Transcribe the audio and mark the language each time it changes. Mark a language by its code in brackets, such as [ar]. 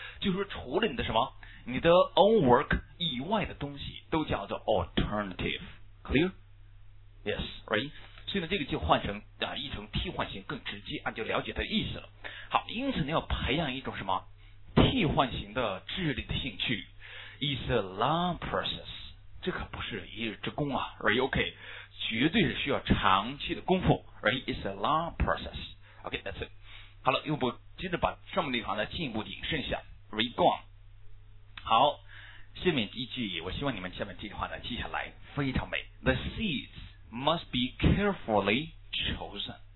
[zh] 就是说除了你的什么，你的 [en] own work [zh] 以外的东西都叫做 alternative， [en] clear？Yes，right？ [zh] 所以呢，这个就换成啊，译成替换型更直接，啊，就了解它的意思了。好，因此呢，要培养一种什么替换型的智力的兴趣。 [en] It's a long process， [zh] 这可不是一日之功啊 [en] ，right？ [zh] OK， 绝对是需要长期的功夫 ， [en] right？ It's a long process， OK， that's it。 [zh] 好了，又不接着把上面那行呢进一步引申一下 ， [en] read on。 [zh] 好，下面一句，我希望你们下面这句话呢记下来，非常美。 [en] The seeds must be carefully chosen。